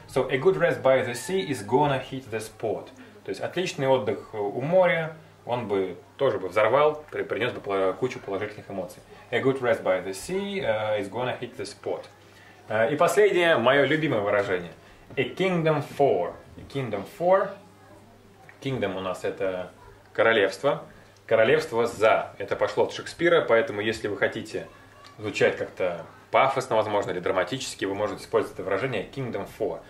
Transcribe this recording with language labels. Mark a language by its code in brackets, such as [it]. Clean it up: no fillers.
[en] So a good rest by the sea is gonna hit the spot. [ru] То есть отличный отдых у моря, он бы тоже бы взорвал, принес бы кучу положительных эмоций. [en] A good rest by the sea is gonna hit the spot. [ru] И последнее, мое любимое выражение. [en] A kingdom for. A kingdom for. Kingdom [ru] у нас это королевство. Королевство за. Это пошло от Шекспира, поэтому если вы хотите звучать как-то пафосно, возможно, или драматически, вы можете использовать это выражение [en] kingdom for.